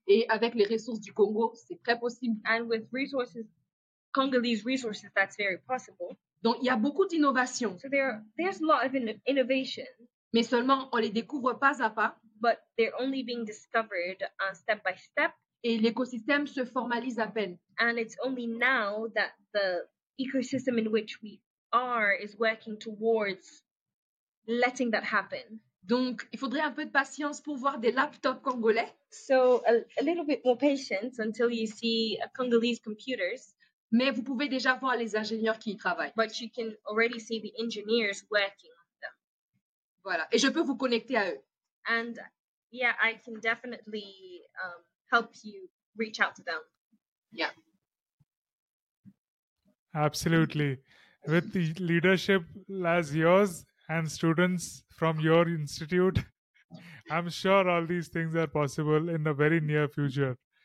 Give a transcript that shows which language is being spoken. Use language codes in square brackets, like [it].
[fr] Et avec les ressources du Congo, c'est très possible. [en] And with resources, Congolese resources, that's very possible. [fr] Donc, il y a beaucoup d'innovations. [en] So there's a lot of innovation. [fr] Mais seulement, on les découvre pas à pas. [en] But they're only being discovered step by step. [fr] Et l'écosystème se formalise à peine. [en] And it's only now that the ecosystem in which we are is working towards letting that happen. [fr] Donc, il faudrait un peu de patience pour voir des laptops congolais. [en] So, a little bit more patience until you see Congolese computers. [fr] Mais vous pouvez déjà voir les ingénieurs qui y travaillent. [en] But you can already see the engineers working on them. [fr] Voilà. Et je peux vous connecter à eux. [en] And yeah, I can definitely help you reach out to them. Yeah. Absolutely. With the leadership as yours and students from your institute, I'm sure all these things are possible in the very near future.